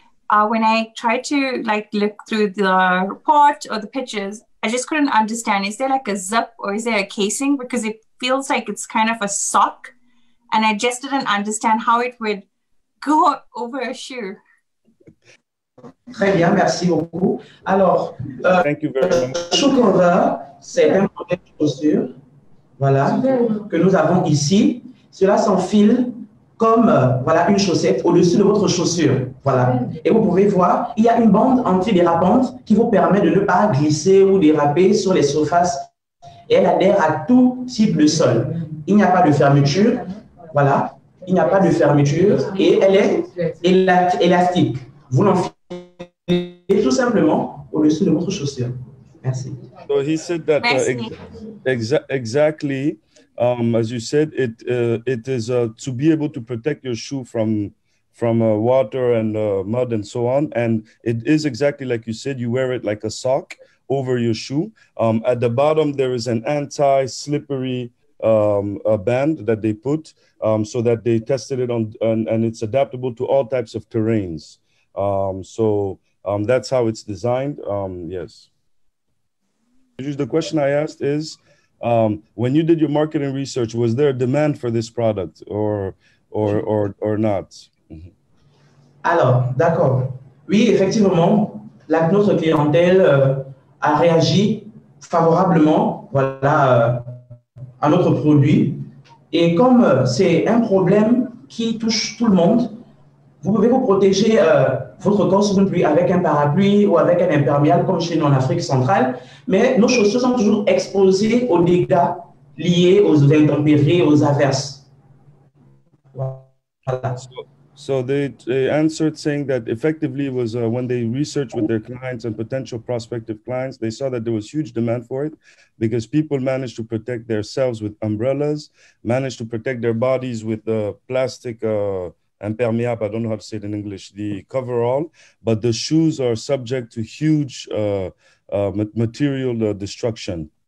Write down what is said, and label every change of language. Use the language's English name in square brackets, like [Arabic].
[English] When I tried to like look through the report or the pictures, I just couldn't understand. Is there like a zip or is there a casing? Because it feels like it's kind of a sock, and I just didn't understand how it would go over a shoe. [French] Très bien, merci beaucoup. Alors, [English] thank you very much. [French] Shoe cover, c'est un modèle de chaussure, voilà, que nous avons ici. Cela s'enfile comme voilà une chaussette au-dessus de votre chaussure, voilà. Et vous pouvez voir, il y a une bande antidérapante qui vous permet de ne pas glisser ou déraper sur les surfaces. Et elle adhère à tout type de sol. Il n'y a pas de fermeture. Voilà. Il n'y a pas de fermeture. Et elle est élastique. Vous l'enfilez tout simplement au-dessus de votre chaussure. Merci. [English] So he said that exactly, as you said, it is to be able to protect your shoe from water and mud and so on. And it is exactly like you said, you wear it like a sock over your shoe. At the bottom, there is an anti-slippery band that they put so that they tested it on, and it's adaptable to all types of terrains. So that's how it's designed, yes. The question I asked is, when you did your marketing research, was there a demand for this product or not? [French] Alors, d'accord. Oui, effectivement, notre clientèle a réagi favorablement voilà, à notre produit. Et comme c'est un problème qui touche tout le monde, Vous pouvez vous protéger votre corps sous une pluie avec un parapluie ou avec un imperméable comme chez nous en Afrique centrale, mais nos chaussures sont toujours exposées aux dégâts liés aux intempéries, aux averses. Voilà. [English] So they answered saying that effectively it was when they researched with their clients and potential prospective clients, they saw that there was huge demand for it because people managed to protect themselves with umbrellas, managed to protect their bodies with the plastic imperméable, I don't know how to say it in English, the coverall, but the shoes are subject to huge material destruction.